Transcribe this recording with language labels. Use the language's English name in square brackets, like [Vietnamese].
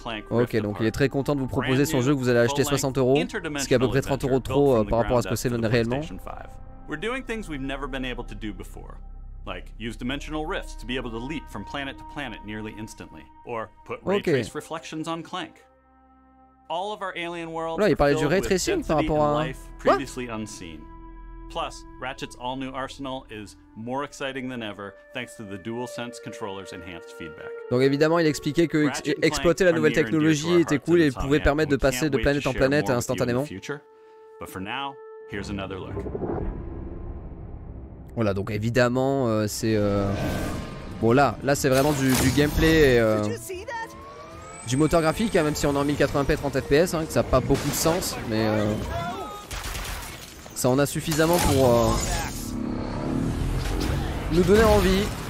[French] Ok, donc il est très content de vous proposer son jeu que vous allez acheter 60€, ce qui est à peu près 30€ de trop par rapport à ce que c'est réellement. [English] We're doing things we've never been able to do before. Like use dimensional rifts to be able to leap from planet to planet nearly instantly, or put ray trace reflections on Clank. All of our alien worlds. [French] Là, il parlait du ray tracing par rapport à [English] previously unseen. Plus, Ratchet's all-new arsenal is more exciting than ever thanks to the DualSense controller's enhanced feedback. [French] Donc évidemment, il expliquait que exploiter la nouvelle technologie était cool et pouvait permettre de passer de planète en planète instantanément. [English] But for now, Here's another look. [French] Voilà, donc évidemment, c'est... Bon, là, c'est vraiment du gameplay et, du moteur graphique, hein, même si on est en 1080p 30 fps, hein, que ça n'a pas beaucoup de sens, mais ça en a suffisamment pour nous donner envie.